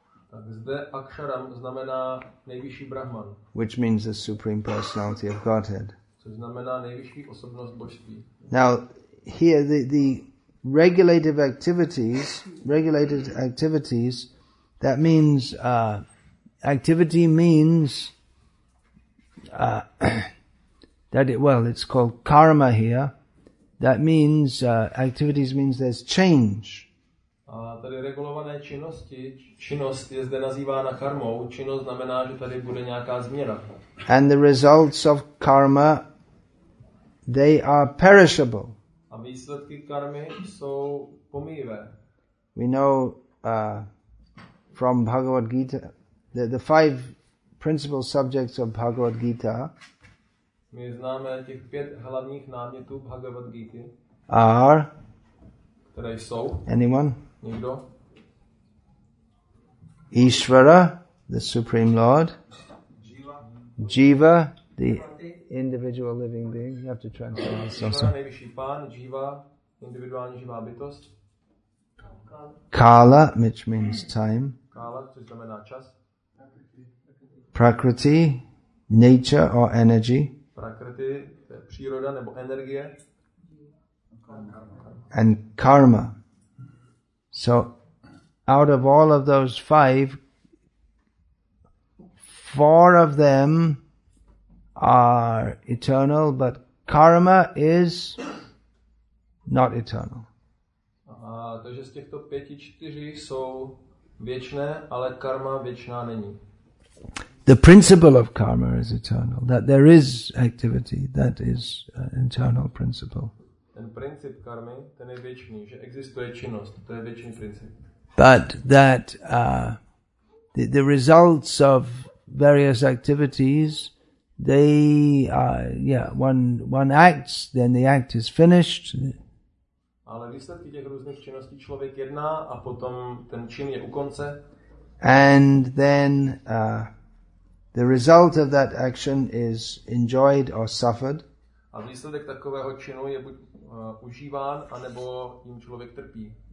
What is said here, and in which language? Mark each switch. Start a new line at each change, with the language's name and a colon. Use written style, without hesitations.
Czech: Tak zde aksharam znamená nejvyšší Brahman,
English: which means the Supreme Personality of Godhead.
Czech: Což znamená nejvyšší osobnost božství.
English: Now, here the regulated activities, that means activity means that it, well, it's called karma here. That means activities means there's change.
Czech: A tady regulované činnosti, činnost je zde nazývána karmou. Činnost znamená, že tady bude nějaká změna.
English: And the results of karma, they are perishable.
Czech: A výsledky karmy jsou pomývé.
English: We know from Bhagavad Gita, the five principal subjects of Bhagavad Gita.
Czech: My známe těch pět hlavních námětů Bhagavad Gita.
English: Are?
Czech: Které jsou?
English: Anyone?
Czech: Nikdo?
English: Ishvara, the Supreme Lord. Jiva, the individual living being. You have to translate this also.
Czech: Ishvara, nejvyšší pán, jiva, individuální živá bytost.
English: Kala, which means time.
Czech: Kala, což znamená čas.
English: Prakriti, nature or energy.
Czech: Prakriti, to je příroda nebo energie.
English: And karma. So, out of all of those five, four of them are eternal, but karma is not eternal.
Czech: Takže z těchto pěti čtyři jsou věčné, ale karma věčná není.
English: The principle of karma is eternal, that there is activity, that is an eternal principle.
Czech: Ten princip karmy, ten je věčný, že existuje činnost, to je věčný princip.
English: But that the results of various activities, they one acts, then the act is finished.
Czech: Ale výsledky těch různých činností člověk jedná a potom ten čin je u konce.
English: And then the result of that action is enjoyed or suffered.
Czech: A výsledek takového činu je buď užíván, anebo jim člověk trpí.